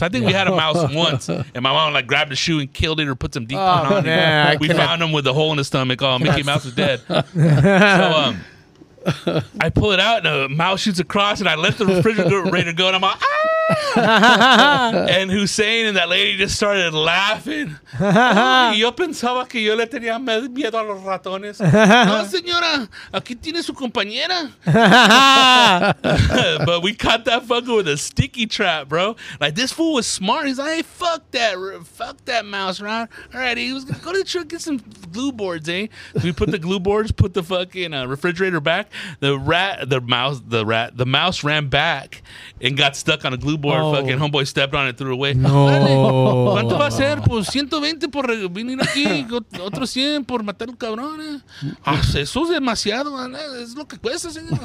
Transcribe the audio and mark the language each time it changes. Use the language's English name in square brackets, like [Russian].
[English] I think we had a mouse once, and my mom like grabbed a shoe and killed it or put some deep on it. We found him with a hole in his stomach. Oh, Mickey Mouse is dead. I pull it out, and a mouse shoots across, and I let the refrigerator go, and I'm like, ah! And Hussein and that lady just started laughing. [Spanish] Y yo pensaba que yo le tenía miedo a los ratones. No, señora, aquí tiene su compañera. [English] But we caught that fucker with a sticky trap, bro. Like, this fool was smart. He's like, hey, fuck that mouse, Ron. All right, he was going to go to the truck, get some glue boards, eh? So we put the glue boards, put the fucking refrigerator back. The mouse ran back and got stuck on a glue board. Fucking homeboy stepped on it, threw away. [Spanish] No. ¿Cuánto va a ser? Pues 120 por venir aquí, otro 100 por matar el cabrón. Eso es demasiado, es lo que cuesta, señor.